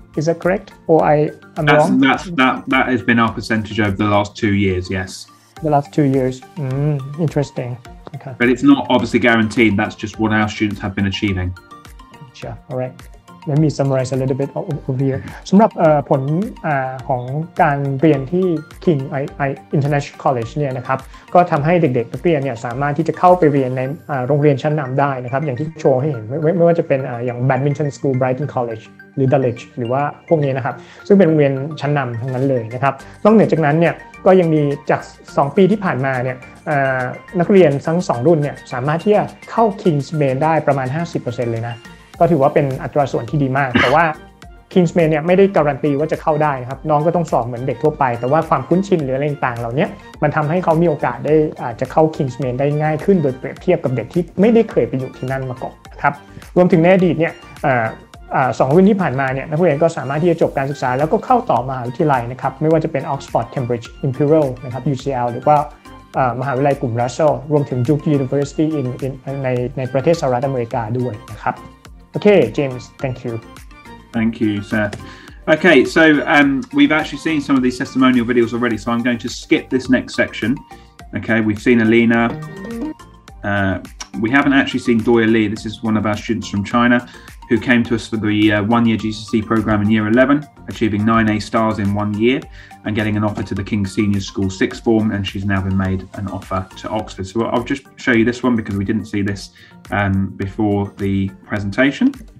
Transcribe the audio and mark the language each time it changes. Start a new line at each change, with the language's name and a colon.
English: Is that correct? Or I'm that's, wrong? That has been our percentage over the last 2 years, yes. The last 2 years. Interesting. Okay. But it's not obviously guaranteed. That's just what our students have been achieving. Sure. All right. Let me summarize a little bit over here.
Thai: สำหรับผลของการเรียนที่ King I International College เนี่ยนะครับก็ทำให้เด็กๆนักเรียนเนี่ยสามารถที่จะเข้าไปเรียนในโรงเรียนชั้นนำได้นะครับอย่างที่โชว์ให้เห็นไม่ว่าจะเป็นอย่าง Badminton School, Brighton College หรือ Dulwich หรือว่าพวกนี้นะครับซึ่งเป็นโรงเรียนชั้นนำทั้งนั้นเลยนะครับนอกเหนือจากนั้นเนี่ยก็ยังมีจาก2ปีที่ผ่านมาเนี่ย นักเรียนทั้ง2รุ่นเนี่ยสามารถที่จะเข้า King's Men ได้ประมาณ 50% เลยนะก็ถือว่าเป็นอัตราส่วนที่ดีมากแต่ว่า Kingsmen เนี่ยไม่ได้การันตีว่าจะเข้าได้นะครับน้องก็ต้องสอบเหมือนเด็กทั่วไปแต่ว่าความคุ้นชินหรืออะไรต่างๆเหล่านี้มันทำให้เขามีโอกาสได้จะเข้า Kingsmen ได้ง่ายขึ้นโดยเปรียบเทียบกับเด็กที่ไม่ได้เคยไปอยู่ที่นั่นมาก่อนนะครับรวมถึงในอดีตเนี่ย สองรุ่นที่ผ่านมาเนี่ยนักเรียนก็สามารถที่จะจบการศึกษาแล้วก็เข้าต่อมหาวิทยาลัยนะครับไม่ว่าจะเป็น Oxford, Cambridge, Imperial นะครับ UCL หรือว่ามหาวิทยาลัยกลุ่ม Russell รวมถึง Duke University ในประเทศสหรัฐอเมริกาด้วยนะครับ
English: Okay, James, thank you. Thank you, sir. Okay, so we've actually seen some of these testimonial videos already, so I'm going to skip this next section. Okay, we've seen Alina. We haven't actually seen Doya Lee. This is one of our students from China who came to us for the one-year GCC program in year 11, achieving 9A stars in 1 year and getting an offer to the King's Senior School Sixth Form, and she's now been made an offer to Oxford. So I'll just show you this one because we didn't see this before the presentation.